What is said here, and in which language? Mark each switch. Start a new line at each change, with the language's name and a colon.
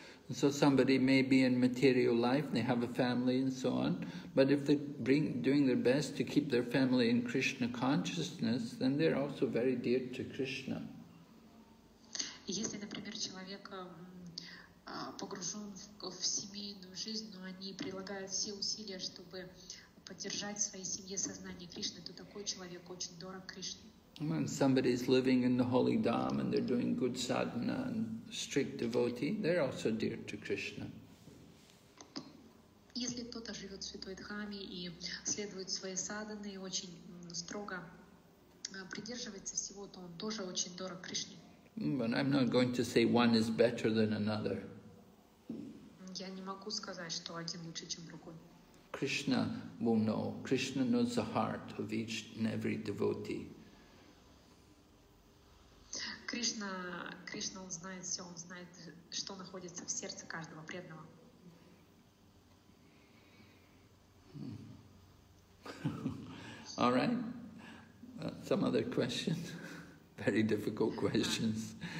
English: So somebody may be in material life, they have a family and so on, but if they're doing their best to keep their family in Krishna consciousness, then they're also very dear to Krishna.
Russian: Если, например, человек погружен в семейную жизнь, но они прилагают все усилия, чтобы поддержать в своей семье сознание Кришны, то такой человек очень дорог Кришне.
English: When somebody is living in the holy dham and they're doing good sadhana and strict devotee, they're also dear to Krishna.
Russian: Если кто-то живет в святой дхаме и следует своей садхане и очень строго придерживается всего, то он тоже очень дорог Кришне.
English: But I'm not going to say one is better than another.
Russian: Я не могу сказать, что один лучше, чем другой.
English: Krishna will know. Krishna knows the heart of each and every devotee.
Russian: Кришна, он знает все, он знает, что находится в сердце каждого преданного.
English: All right. Some other questions. Very difficult questions.